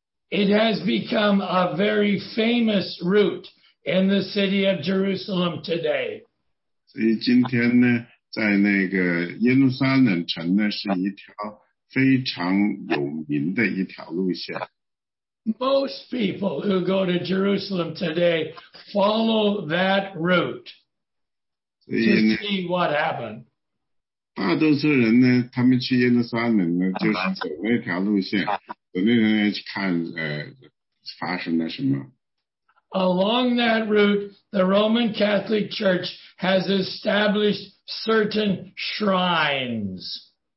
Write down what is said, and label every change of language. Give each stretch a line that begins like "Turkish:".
English: It has become a very famous route in the city of Jerusalem today.
Chinese: 所以今天呢，在那个耶路撒冷城呢，是一条 非常有名的一条路线。
English: Most people who go to Jerusalem today follow that route to see what happened.
Chinese: 大多数人呢，他们去耶路撒冷呢，就是走那条路线，走那条路线去看，发生了什么。
English: Along that route, the Roman Catholic Church has established certain shrines.